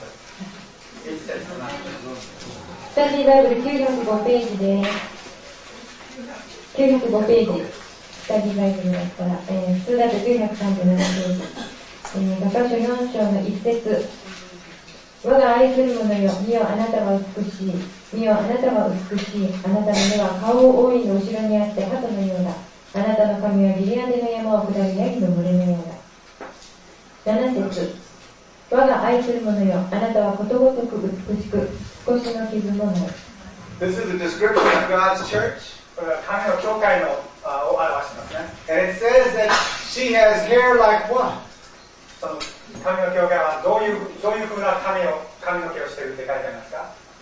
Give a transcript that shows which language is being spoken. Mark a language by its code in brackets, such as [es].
[ja] 節1節と7節スタディバイブル905ページです905ページスタディバイブルだったら、数だと937ページ画家書4章の1節我が愛する者よ見よあなたは美しい見よあなたは美しいあなたの目は顔を覆いの後ろにあって鳩のようだあなたの髪はギリアデの山を下るヤギの群れのようだ。 7節我が愛する者よ、あなたはことごとく美しく、少しの傷もない。 [en] This is a description of God's church. [ja] これは神の教会のを表しますね。 [en] And it says that she has hair like what? [ja] その髪の毛がどういう風な髪の毛をしているって書いてありますか？